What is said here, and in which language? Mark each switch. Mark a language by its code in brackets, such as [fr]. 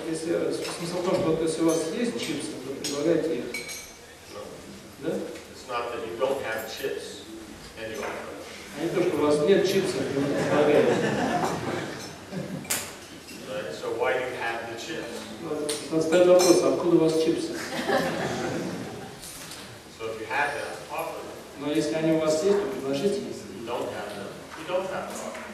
[ru] если смысл в том, что если у вас есть чипсы, то предлагайте их. Да? [en] It's not that you don't have chips and you offer. [ru] А не то, что у вас нет чипсов, и вы предлагаете. [en] So why do you have the chips? [ru] Надо ставить вопрос, откуда у вас чипсы? [en] So if you have them, offer them. [ru] Но если они у вас есть, то предложите их. [en] You don't have them. You don't have them.